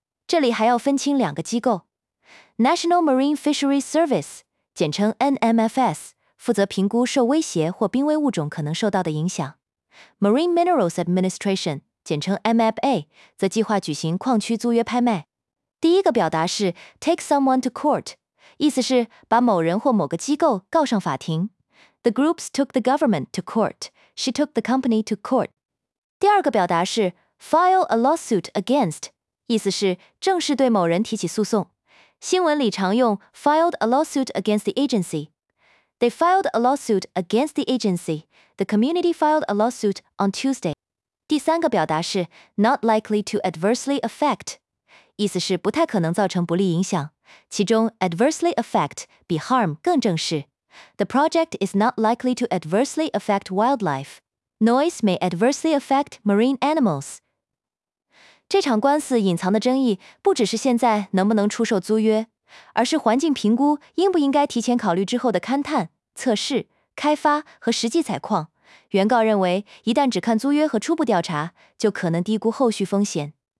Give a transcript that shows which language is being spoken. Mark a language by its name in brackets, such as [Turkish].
[Chinese] 这里还要分清两个机构。National Marine Fisheries Service， 简称 NMFS， 负责评估受威胁或濒危物种可能受到的影响。 Marine Minerals Administration， 简称 MFA， 则计划举行矿区租约拍卖。第一个表达是 [English] take someone to court， [Chinese] 意思是把某人或某个机构告上法庭。 [English] The groups took the government to court. She took the company to court. [Chinese] 第二个表达是 [English] file a lawsuit against， [Chinese] 意思是正式对某人提起诉讼。新闻里常用 [English] filed a lawsuit against the agency. They filed a lawsuit against the agency. The community filed a lawsuit on Tuesday. [Chinese] 第三个表达是 [English] not likely to adversely affect， [Chinese] 意思是不太可能造成不利影响。其中 [English] adversely affect [Chinese] 比 harm 更正式。 [English] The project is not likely to adversely affect wildlife. Noise may adversely affect marine animals. [Chinese] 这场官司隐藏的争议不只是现在能不能出售租约，而是环境评估应不应该提前考虑之后的勘探、测试、开发和实际采矿，原告认为一旦只看租约和初步调查，就可能低估后续风险。